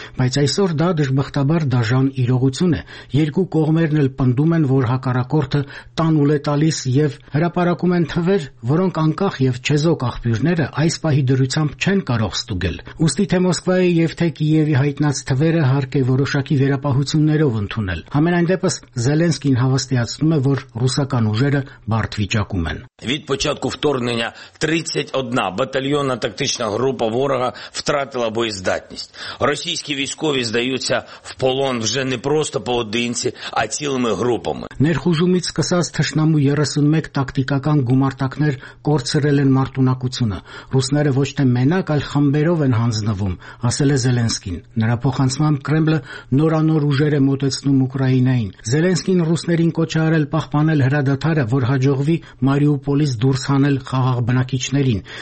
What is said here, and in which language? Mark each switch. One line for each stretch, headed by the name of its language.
Armenian: բայց այսօր դա դժբախտաբար դաժան իրողություն է։ Երկու կողմերն էլ պնդում են, որ հակառակորդը տան ուլ է տալիս և հրապարակում են թվեր, որոնք անկախ և չեզոք աղբյուրները այս պահի դրությամբ չեն կարող ստուգել։ Ուստի թե Մոսկվայի և թե Կիևի հայտնած թվերը հարկ է որոշակի վերապահություններով ընդունել։ Համենայն դեպս Զելենսկին հավաստիացնում է, որ ռուսական ուժերը բարդ վիճակում են։
Ukrainian: Від початку вторгнення 31 батальйонна тактична група ворога втратила боєздатність. Російські військові здаються в полон вже не просто поодинці, а цілими групами.
Armenian: Ներխուժումից սկսած թշնամու 31 տակտիկական գումարտակներ կորցրել են մարտունակությունը։ Ռուսները ոչ թե մենակ, այլ խմբերով են հանձնվում, ասել է Զելենսկին։ Նրա փոխանցմամբ Կրեմլը նորանոր ուժեր է մոտեցնում Ուկրաինային։ Զելենսկին ռուսներին կոչ է արել պահպանել հրադադարը, որ հաջողվի Մարիուպոլից դուրս հանել խաղաղ բնակիչներին։